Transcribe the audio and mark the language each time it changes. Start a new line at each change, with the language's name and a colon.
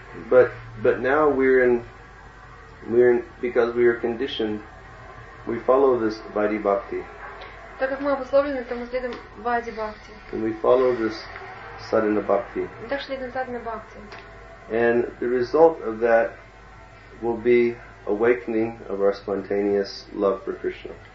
English: But now we're in because we are conditioned, we follow this Vaidhi Bhakti.
Russian: Так как мы обусловлены, то мы следуем Vaidhi Bhakti.
English: And we follow this Sadhana Bhakti.
Russian: Так следуем Sadhana Bhakti.
English: And the result of that will be awakening of our spontaneous love for Krishna.